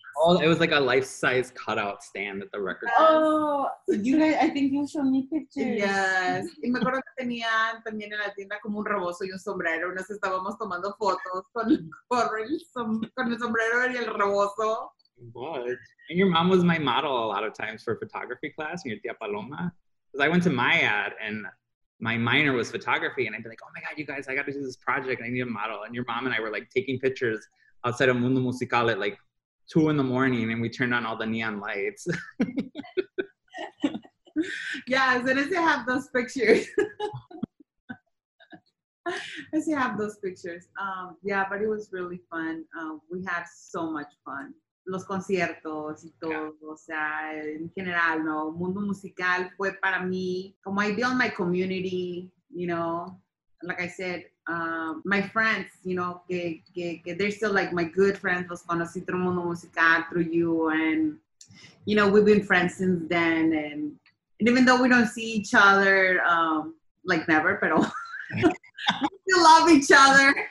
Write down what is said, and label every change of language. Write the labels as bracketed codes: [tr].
[en] Oh, it was like a life-size cutout stand at the record store. Oh, I think you showed me pictures. Yes. [es] Y me acuerdo que tenían también en la tienda como un rebozo y un sombrero. Nos estábamos tomando fotos con el sombrero y el rebozo. [en] But, and your mom was my model a lot of times for photography class, and your tía Paloma. Because I went to MIAD, and my minor was photography, and I'd be like, oh my God, you guys, I got to do this project, and I need a model. And your mom and I were like taking pictures outside of Mundo Musical at like 2 in the morning, and we turned on all the neon lights. Yeah, as soon as you have those pictures. Yeah, but it was really fun. We had so much fun. [es] Los conciertos y todo, o sea, en general, ¿no? [en] Mundo Musical [es] fue para mí, como [en] I built my community, you know, like I said, my friends, you know, que they're still like my good friends, [es] los conocí [en] through Mundo Musical, through you, and, you know, we've been friends since then, and even though we don't see each other, like never, pero we love each other.